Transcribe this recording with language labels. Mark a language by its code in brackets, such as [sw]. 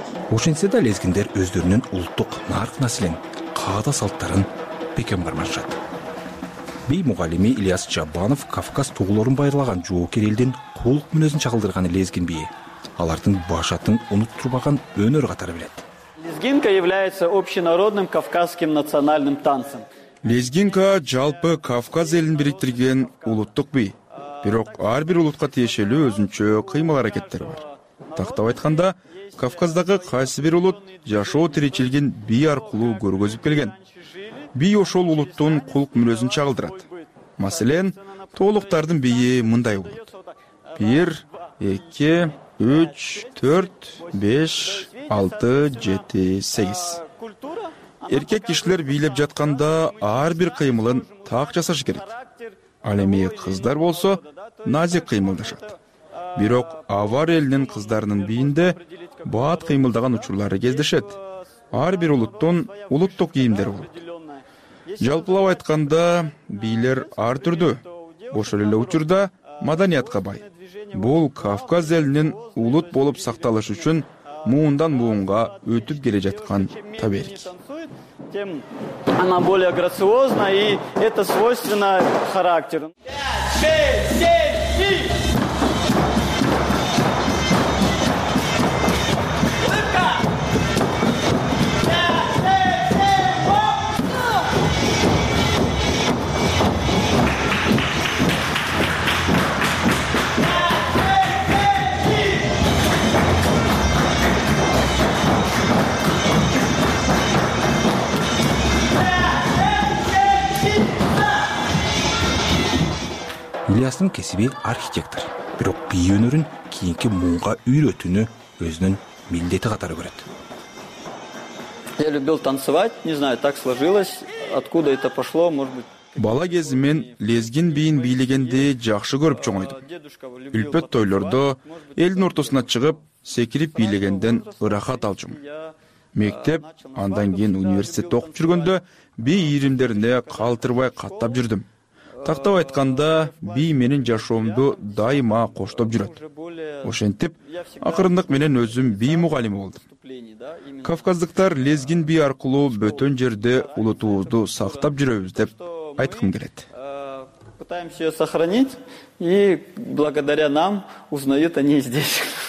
[ky] Ошентсе да лезгиндер өздөрүнүн улуттук нарк маселен, каада салттарын бекем кармашат. Бий мугалими Ильяс Чабанов Кавказ тууларын байырлаган жоокер элдин кулук мүнөзүн чагылдырган лезгин бийи. Алардын башатын унуттурбаган өнөр катары билет. [ru] Лезгинка является общенародным кавказским национальным танцем. [ky] Лезгинка жалпы Кавказ элин бириктирген улуттук бий. Бирок ар бир улутка тиешелүү өзүнчө кыймыл аракеттери бар. Тактап айтканда, Кавказдагы кайсы бир улут жашоо тиричилигин бий аркылуу көргөзүп келген. Бий ошол улуттун кулук мүнөзүн чагылдырат. Маселен, тоолуктардын бийи мындай болот. 1, 2, 3, 4, 5, 6, 7, 8. Эркек кишилер бийлеп жатканда ар бир кыймылын так жасаш керек. Ал эми кыздар болсо назик кыймылдашат. Бирок авар элинин кыздарынын бийинде баат кыймылдаган учурлары кездешет. Ар бир улуттун улуттук кийимдери болот. Жалпылап айтканда, бийлер ар түрдүү. Ошол эле учурда маданиятка бай. Бул Кавказ элинин улут болуп сакталышы үчүн муундан муунга өтүп келе жаткан таберик. [ru] Тем она более грациозна и это свойственно характеру. [ky] Ильястын кесиби архитектор, бирок бий өнөрүн кийинки муунга үйрөтүүнү өзүнүн милдети катары көрөт. [ru] Я любил танцевать, не знаю, так сложилось, откуда это пошло, может быть. [ky] Бала кезимен лезгин бийин бийлегенди жакшы көрүп чоңойдум. Үлпөт тойлордо элдин ортосуна чыгып, секирип бийлегенден ырахат алчум. Мектеп, андан кийин университетте окуп жүргөндө бий ийримдерине калтырбай каттап жүрдүм. Тактап айтканда, бий менин жашоомду дайыма коштоп жүрөт. Ошентип, акырындык менен өзүм би мугалим болдум. Кавказдыктар лезгин би аркылуу бөтөн жерде улутубузду сактап жүрөбүз деп айткым келет. [ru] Пытаемся её сохранить, и благодаря нам узнают они здесь.